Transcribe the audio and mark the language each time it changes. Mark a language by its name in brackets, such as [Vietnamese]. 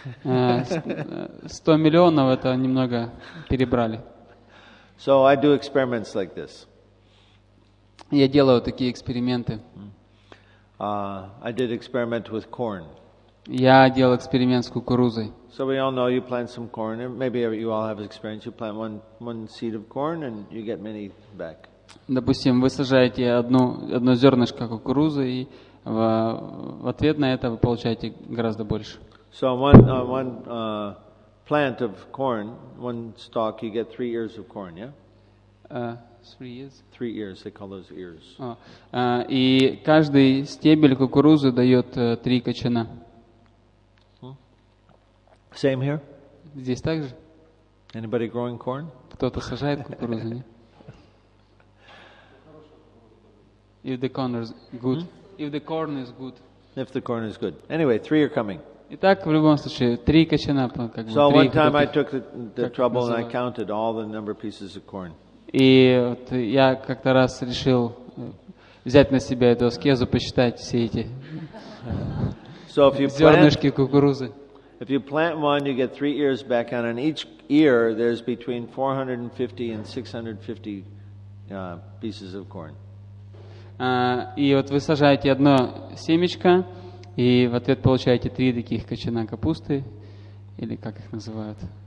[Russian] 100 миллионов это немного перебрали. [English] So I do experiments like this. [Russian] Я делаю такие эксперименты. [English] I did experiment with corn. [Russian] Я делал эксперимент с кукурузой. [English] So we all know you plant some corn. Maybe you all have experience. You plant one seed of corn and you get many back. [Russian] Допустим, вы сажаете одно зернышко кукурузы и в ответ на это вы получаете гораздо больше. [English] So one plant of corn, one stalk, you get 3 ears of corn, yeah? 3 ears? 3 ears, they call those ears. [Russian] И каждый стебель кукурузы дает 3 кочана. [English] Same here? [Russian] Здесь также? [English] Anybody growing corn? [Russian] Кто-то сажает кукурузу, нет? [English] If the corn is good. Mm-hmm. If the corn is good. Anyway, 3 are coming. [Russian] Итак, в любом случае, 3 кочана. [English] So one time I took the trouble and I counted all the number of pieces of corn. [Russian] И вот я как-то раз решил взять на себя эту аскезу, посчитать все эти зернышки кукурузы. [English] If you plant one, you get 3 ears back, and on each ear, there's between 450 and 650 pieces of corn. [Russian] И вот вы сажаете одно семечко, и в ответ получаете 3 таких кочана капусты, или как их называют?